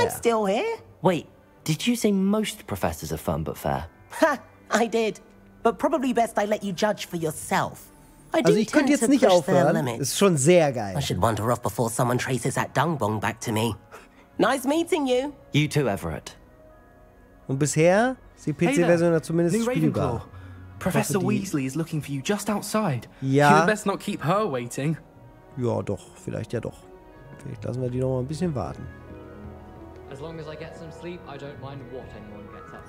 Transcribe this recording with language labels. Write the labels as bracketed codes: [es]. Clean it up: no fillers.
[en] I'm still here. Wait, did you say most professors are firm but fair? Ha, I did. But probably best I let you judge for yourself. I [de] also, ich könnte jetzt nicht aufhören. Das ist schon sehr geil. [en] I should wander off before someone traces that dung bomb back to me. Nice meeting you. You too, Everett. [de] Und bisher ist die PC-Version zumindest spielbar. [en] Professor Weasley is looking for you just outside. [de] Ja. [en] You'd best not keep her waiting. [de] Ja, doch. Vielleicht ja doch. Vielleicht lassen wir die noch mal ein bisschen warten. [en] As long as I get some sleep, I don't mind what anyone gets up.